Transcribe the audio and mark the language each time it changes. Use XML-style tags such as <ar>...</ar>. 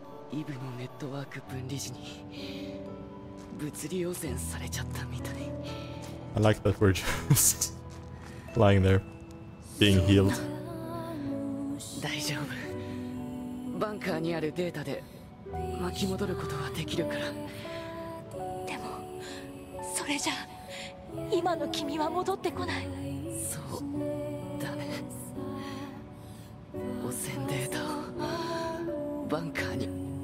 <ja>IVE のネットワーク分離時に物理汚染されちゃったみたい。</ja> <en>I like that we're just lying there, being healed.</en> <ja>大丈夫。バンカーにあるデータで巻き戻ることはできるから。でもそれじゃ今の君は戻ってこない。そうだね。汚染データをバンカーに。</ja>